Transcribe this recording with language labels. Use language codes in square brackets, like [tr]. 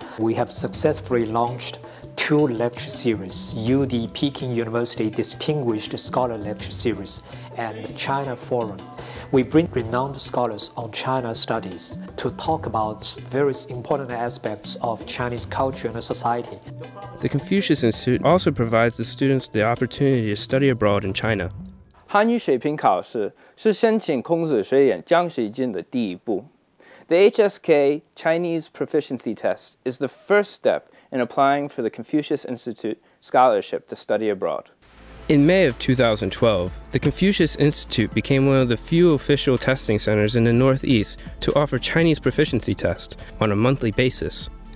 [en] We have successfully launched 2 lecture series, UD Peking University Distinguished Scholar Lecture Series and China Forum. We bring renowned scholars on China studies to talk about various important aspects of Chinese culture and society. The Confucius Institute also provides the students the opportunity to study abroad in China. [zh] 汉语水平考试是申请孔子学院奖学金的第一步。 [en] The HSK Chinese Proficiency Test is the first step in applying for the Confucius Institute scholarship to study abroad. In May of 2012, the Confucius Institute became one of the few official testing centers in the Northeast to offer Chinese proficiency tests on a monthly basis.